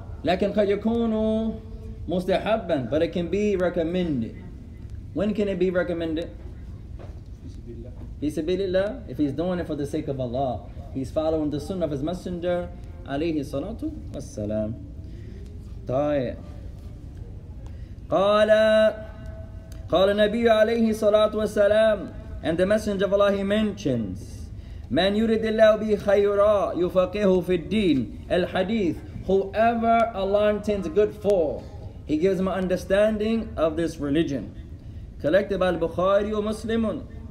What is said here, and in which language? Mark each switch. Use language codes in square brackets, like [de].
[ar] لَكِنْ قَدْ يَكُونُ مُسْتَحَبًا. [en] But it can be recommended. When can it be recommended? [ar] بِسَبِيلِ اللَّهِ. [en] If he's doing it for the sake of Allah. He's following the sunnah of his messenger. [ar] عَلَيْهِ الصَّلَاةُ وَالسَّلَامُ. طيب. قال النبي عليه الصلاة والسلام. [en] And the messenger of Allah, he mentions, [ar] من يرد الله به خيرا يفقهه في الدين الحديث. [en] Whoever Allah intends good for, he gives him an understanding of this religion. Collected by البخاري ومسلم.